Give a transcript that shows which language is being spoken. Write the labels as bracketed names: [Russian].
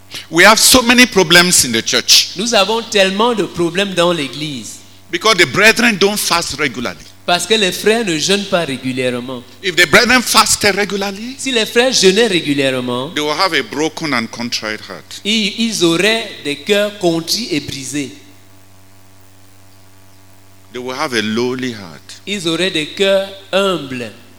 [English] We have so many problems in the church. [French] Nous avons tellement de problèmes dans l'église. [English] Because the brethren don't fast regularly. [French] Parce que les frères ne jeûnent pas régulièrement. [English] If the brethren fasted regularly, [French] si les frères jeûnaient régulièrement, [English] they will have a broken and contrite heart. [French] Ils auraient des cœurs contrits et brisés. [English] They will have a lowly heart. [French] Ils auraient des cœurs humbles.